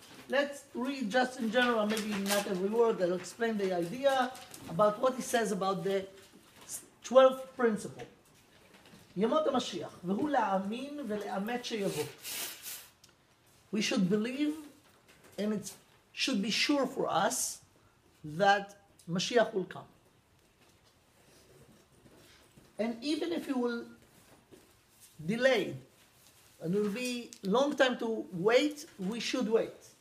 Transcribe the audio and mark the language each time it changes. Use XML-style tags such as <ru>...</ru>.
<en>Let's read just in general, maybe not every word, that will explain the idea about what he says about the 12th principle.</en> <he>ימות המשיח, והוא להאמין ולאמת שיבוא.</he> <en>We should believe, and it should be sure for us, that Mashiach will come. And even if he will delay, and it will be long time to wait, we should wait.</en>